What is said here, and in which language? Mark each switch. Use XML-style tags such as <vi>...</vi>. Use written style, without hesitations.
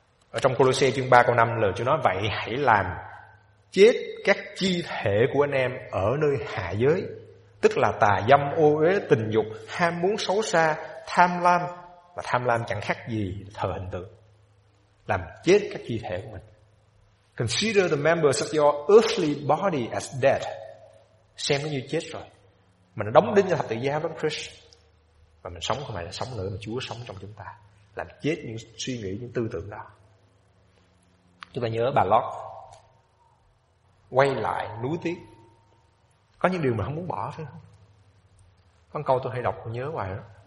<vi>Ở trong Colossae chương 3 câu 5, lời Chúa nói vậy hãy làm chết các chi thể của anh em ở nơi hạ giới, tức là tà dâm, ô uế, tình dục, ham muốn xấu xa, tham lam. Và tham lam chẳng khác gì thờ hình tượng. Làm chết các chi thể của mình.</vi> <en>Consider the members of your earthly body as dead.</en> <vi>Xem nó như chết rồi. Mình đóng đinh cho thập tự giá với Christ. Và mình sống không phải là sống nữa, mà Chúa sống trong chúng ta. Làm chết những suy nghĩ, những tư tưởng đó. Chúng ta nhớ bà Lot quay lại núi tiếc. Có những điều mà không muốn bỏ phải không? Có câu tôi hay đọc nhớ hoài đó.</vi>